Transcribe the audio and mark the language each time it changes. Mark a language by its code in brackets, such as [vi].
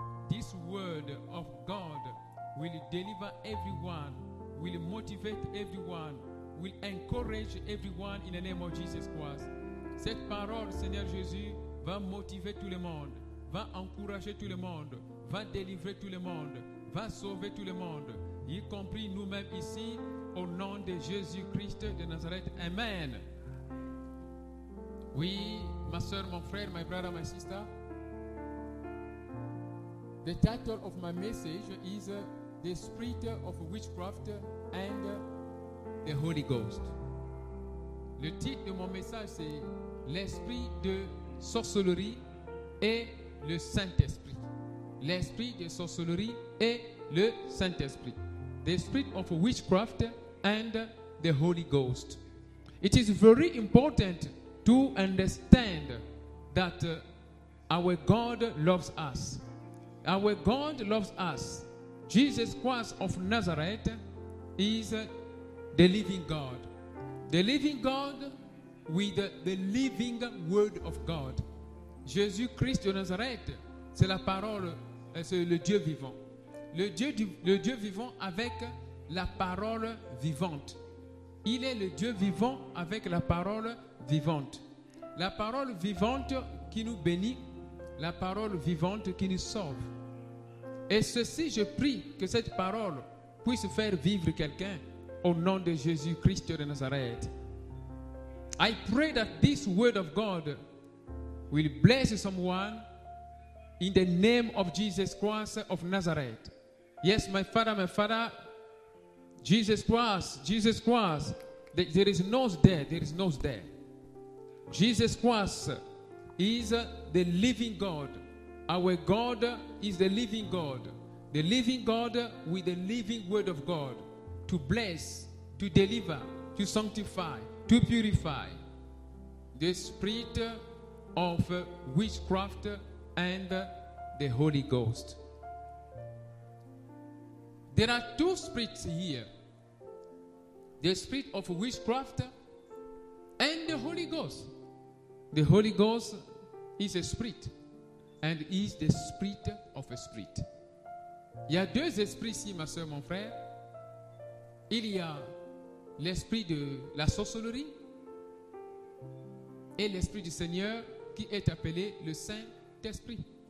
[en] This word of God will deliver everyone, will motivate everyone, will encourage everyone in the name of Jesus Christ. [fr] Cette parole, Seigneur Jésus, va motiver tout le monde, va encourager tout le monde, va délivrer tout le monde, va sauver tout le monde, y compris nous-mêmes ici, au nom de Jésus-Christ de Nazareth. Amen. Oui, ma soeur, mon frère, [en] my brother, my sister. The title of my message is The Spirit of Witchcraft and the Holy Ghost. [fr] Le titre de mon message, c'est L'Esprit de Sorcellerie et le Saint-Esprit. L'Esprit de Sorcellerie et le Saint-Esprit. The Spirit of Witchcraft and the Holy Ghost. [en] It is very important to understand that our God loves us. Our God loves us. Jesus Christ of Nazareth is the living God. The living God with the living word of God. [fr] Jésus Christ de Nazareth, c'est la parole, c'est le Dieu vivant. Le Dieu vivant avec la parole vivante. Il est le Dieu vivant avec la parole vivante. La parole vivante qui nous bénit, la parole vivante qui nous sauve. Et ceci, je prie que cette parole puisse faire vivre quelqu'un au nom de Jésus Christ de Nazareth. [en] I pray that this word of God will bless someone in the name of Jesus Christ of Nazareth. Yes, my father, Jesus Christ, there is no death, there is no death. Jesus Christ is the living God. Our God is the living God. The living God with the living word of God to bless, to deliver, to sanctify, to purify. The spirit of witchcraft and the Holy Ghost. There are two spirits here. The spirit of witchcraft and the Holy Ghost. The Holy Ghost is a spirit and is the spirit of a spirit. [fr] Il y a deux esprits ici, ma soeur, mon frère. Il y a l'esprit de la sorcellerie et l'Esprit du Seigneur qui est appelé le Saint-Esprit.